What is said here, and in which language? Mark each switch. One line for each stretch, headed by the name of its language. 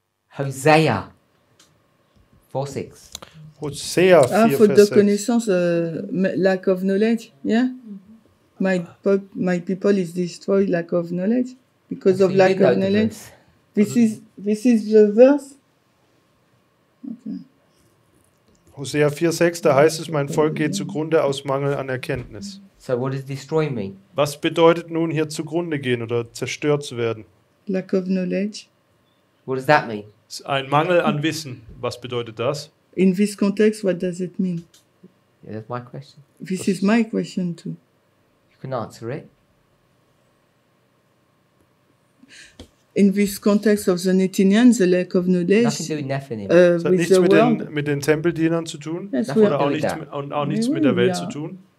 English: Hosea 4, 6. Hosea 4, ah,
French: faute de connaissance,
English: lack of knowledge, yeah? Mm-hmm. My people is destroyed, lack of knowledge, because of lack of knowledge. This is the verse? Okay.
German: Hosea 4, 6, da heißt es, mein Volk geht zugrunde aus Mangel an Erkenntnis.
English: So what does destroy mean?
German: Was bedeutet nun hier zugrunde gehen oder zerstört zu werden?
English: Lack of knowledge. What does that mean?
German: Ein Mangel an Wissen. Was bedeutet das?
English: In this context, what does it mean? Yeah, that's my question. This is my question too. You can answer it. In this context of the Netinians, the lack of knowledge. Nothing to do with Netinians.
German: Hat nichts mit den Tempeldienern zu tun. Oder auch nichts mit der Welt zu tun.